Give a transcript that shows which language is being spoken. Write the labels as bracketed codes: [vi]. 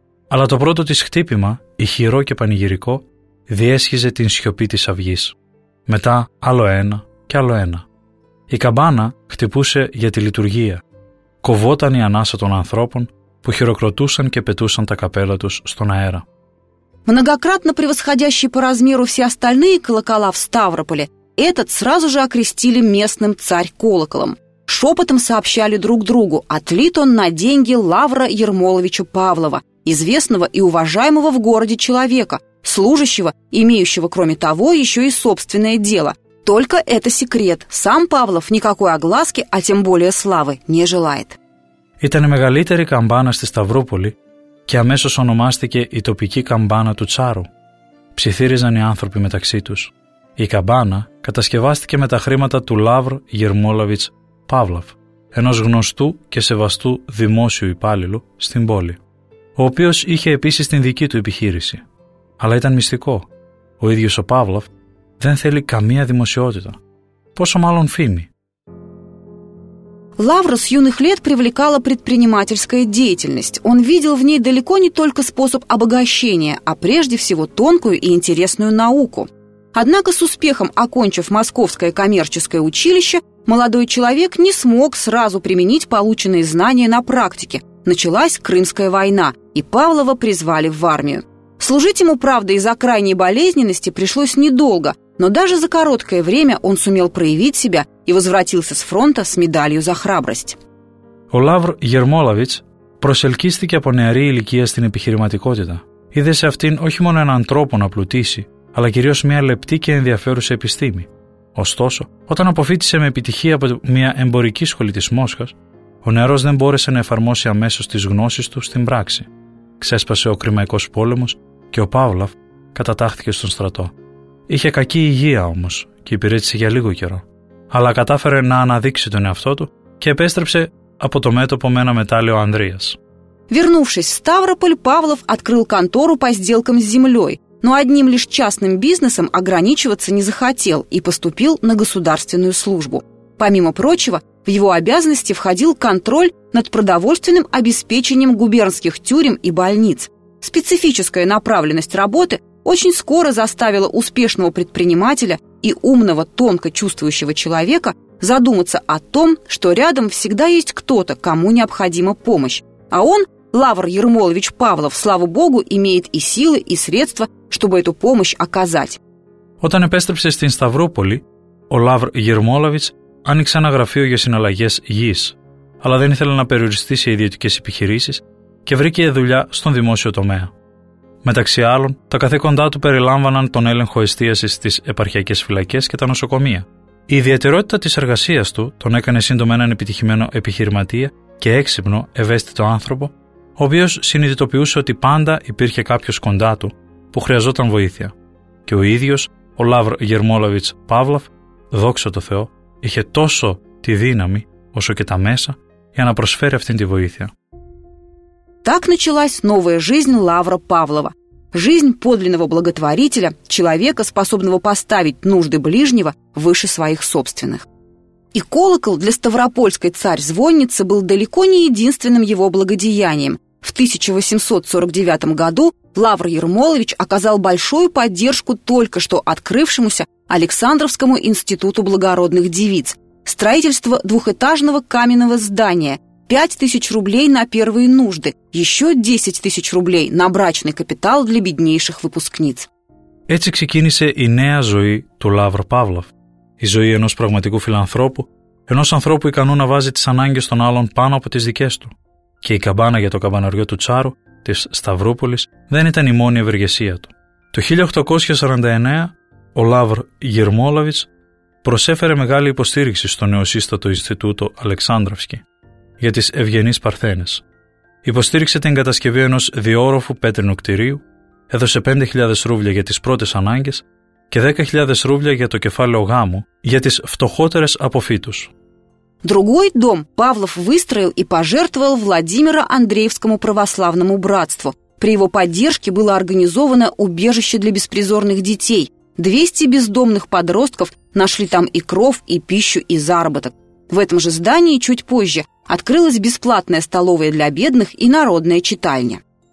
[el] Αλλά το πρώτο της χτύπημα, ηχηρό και πανηγυρικό, διέσχιζε την σιωπή της αυγής. Μετά άλλο ένα και άλλο ένα. Η καμπάνα χτυπούσε για τη λειτουργία. Κοβόταν η ανάσα των ανθρώπων που χειροκροτούσαν και πετούσαν τα καπέλα τους στον αέρα. [ru] Многократно превосходящий по размеру все остальные колокола в Ставрополе, этот сразу же окрестили местным царь-колоколом. Шепотом сообщали друг другу, отлит он на деньги Лавра Ермоловича Павлова, известного и уважаемого в городе человека, служащего, имеющего кроме того еще и собственное дело. Только это секрет. Сам Павлов никакой огласки, а тем более славы, не желает. [el] Ήταν η μεγαλύτερη καμπάνα στη Σταυρούπολη και αμέσως ονομάστηκε η τοπική καμπάνα του Τσάρου. Ψιθύριζαν οι άνθρωποι μεταξύ τους. Η καμπάνα κατασκευάστηκε με τα χρήματα του Λαύρ Γερμόλαβιτς Παύλαφ, ενός γνωστού και σεβαστού δημόσιου υπάλληλου στην πόλη, ο οποίος είχε επίσης την δική του επιχείρηση. Αλλά ήταν μυστικό. Ο ίδιος ο Παύλαφ δεν θέλει καμία δημοσιότητα. Πόσο μάλλον φήμη. [ru] Лавра с юных лет привлекала предпринимательская деятельность. Он видел в ней далеко не только способ обогащения, а прежде всего тонкую и интересную науку. Однако с успехом окончив Московское коммерческое училище, молодой человек не смог сразу применить полученные знания на практике. Началась Крымская война, и Павлова призвали в армию. Служить ему, правда, из-за крайней болезненности пришлось недолго, но даже за короткое время он сумел проявить себя и возвратился с фронта с медалью за храбрость. [el] Ο Λαύρ Γερμόλαβιτς προσελκύστηκε από νεαρή ηλικία στην επιχειρηματικότητα. Είδε σε αυτήν όχι μόνο έναν τρόπο να πλουτίσει, αλλά κυρίως μια λεπτή και ενδιαφέρουσα επιστήμη. Ωστόσο, όταν αποφύτησε με επιτυχία από μια εμπορική σχολή της Μόσχας, ο νεαρός δεν μπόρεσε να εφαρμόσει αμέσως τις γνώσεις του στην πράξη. Ξέσπασε ο Κρυμαϊκός πόλεμος και ο Παύλαφ κατατάχθηκε στον στρατό. Είχε κακή υγεία όμως και υπηρέτησε για λίγο καιρό. Αλλά κατάφερε να αναδείξει τον εαυτό του και επέστρεψε από το μέτωπο με ένα μετάλλιο Ανδρείας. [ru] Вернувшись в Ставрополь, Павлов открыл контору по сделкам с землей, но одним лишь частным бизнесом ограничиваться не захотел и поступил на государственную службу. Помимо прочего, в его обязанности входил контроль над продовольственным обеспечением губернских тюрем и больниц. Специфическая направленность работы очень скоро заставила успешного предпринимателя и умного, тонко чувствующего человека задуматься о том, что рядом всегда есть кто-то, кому необходима помощь. А он, Лавр Ермолович Павлов, слава богу, имеет и силы, и средства, чтобы эту помощь оказать. [el] Όταν επέστρεψε στην Σταυρούπολη, ο Λαύρ Γερμόλαβιτς άνοιξε ένα γραφείο για συναλλαγές γης, αλλά δεν ήθελε να περιοριστεί σε ιδιωτικές επιχειρήσεις και βρήκε δουλειά στον δημόσιο τομέα. Μεταξύ άλλων, τα καθήκοντά του περιλάμβαναν τον έλεγχο εστίασης στις επαρχιακές φυλακές και τα νοσοκομεία. Η ιδιαιτερότητα της εργασίας του τον έκανε σύντομα έναν επιτυχημένο επιχειρηματία και έξυπνο, ευαίσθητο άνθρωπο, ο οποίος συνειδητοποιούσε ότι πάντα υπήρχε κάποιος κοντά του που χρειαζόταν βοήθεια. Και ο ίδιος, ο Λαύρ Γερμόλαβιτς Παύλαφ, δόξα τω Θεώ, είχε τόσο τη δύναμη όσο και τα μέσα για να προσφέρει αυτήν τη βοήθεια. [ru] Так началась новая жизнь Лавра Павлова. Жизнь подлинного благотворителя, человека, способного поставить нужды ближнего выше своих собственных. И колокол для Ставропольской царь-звонницы был далеко не единственным его благодеянием. В 1849 году Лавр Ермолович оказал большую поддержку только что открывшемуся Александровскому институту благородных девиц. Строительство двухэтажного каменного здания – 5 000 рублей на первые нужды, еще 10 000 рублей на брачный капитал для беднейших выпускниц. [el] Έτσι ξεκίνησε η νέα ζωή του Λαύρου Παύλοφ, η ζωή ενός πραγματικού φιλανθρώπου, ενός ανθρώπου ικανού να βάζει τις ανάγκες των άλλων πάνω από τις δικές του. Και η καμπάνα για το καμπαναριό του Τσάρου, της Σταυρούπολης, δεν ήταν η μόνη ευεργεσία του. Το 1849 ο Λαύρ Γερμόλαβιτς προσέφερε μεγάλη υποστήριξη στο νεοσύστατο Ινστιτούτο Αλεξάνδραυσκι για τις ευγενείς παρθένες. Υποστήριξε την κατασκευή ενός διόροφου πέτρινου κτηρίου, έδωσε 5.000 ρούβλια για τις πρώτες ανάγκες και 10.000 ρούβλια για το κεφάλαιο γάμου για τις φτωχότερες από φύτους. [ru] Другой дом Павлов выстроил и пожертвовал Владимиро-Андреевскому православному братству. При его поддержке было организовано убежище для беспризорных детей. 200 бездомных подростков нашли там и кров, и пищу, и заработок. В этом же здании чуть позже открылась бесплатная столовая для бедных и народная читальня.